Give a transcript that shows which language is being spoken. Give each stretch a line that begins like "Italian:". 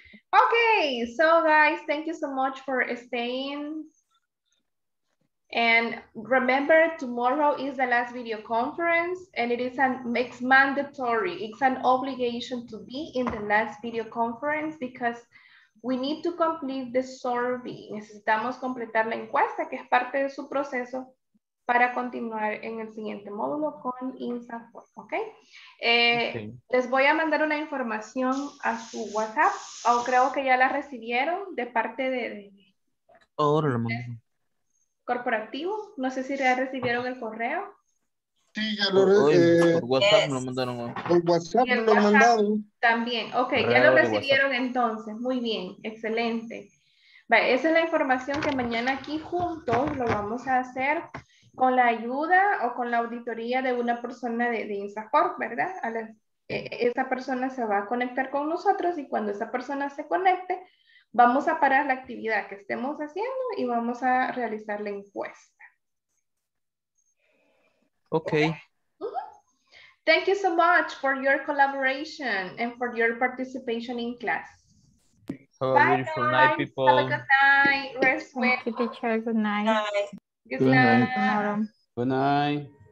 English: Okay, so guys, thank you so much for staying. And remember, tomorrow is the last video conference, and it's mandatory. It's an obligation to be in the last video conference because We need to complete the survey.
Spanish: Necesitamos completar la encuesta, que es parte de su proceso, para continuar en el siguiente módulo con INSAFORP, ¿okay? ¿Ok? Les voy a mandar una información a su WhatsApp, o creo que ya la recibieron de parte de... Corporativo, no sé si ya recibieron el correo. Sí, ya lo Por WhatsApp lo mandaron. También, ok, ya lo recibieron entonces. Muy bien, excelente. Vale, esa es la información que mañana aquí juntos lo vamos a hacer con la ayuda o con la auditoría de una persona de INSAFORP, ¿verdad? Esa persona se va a conectar con nosotros y cuando esa persona se conecte, vamos a parar la actividad que estemos haciendo y vamos a realizar la encuesta.
English: Okay. Thank you so much for your collaboration and for your participation in class. Have a beautiful night, people. Good night.